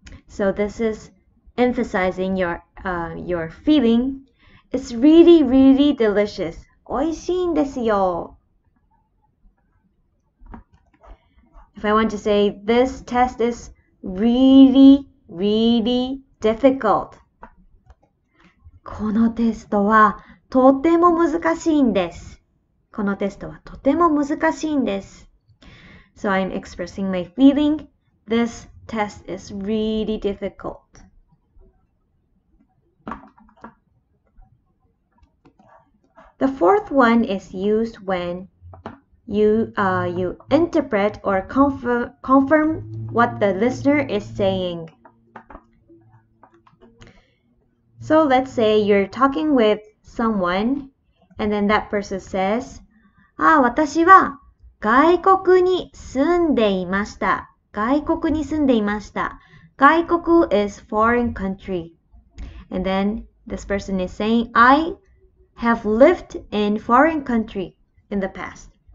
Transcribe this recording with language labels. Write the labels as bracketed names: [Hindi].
[English] So this is emphasizing your feeling. It's really, really delicious. おいしいんですよ。 If I want to say this test is really, really difficult. [Japanese] このテストはとても難しいんです。このテストはとても難しいんです。 [English] So I'm expressing my feeling. This test is really difficult. The fourth one is used when you interpret or confirm what the listener is saying. So let's say you're talking with someone, and then that person says, [Japanese] ああ、私は外国に住んでいました。外国に住んでいました。外国 [English] is foreign country. And then this person is saying, I have lived in foreign country in the past.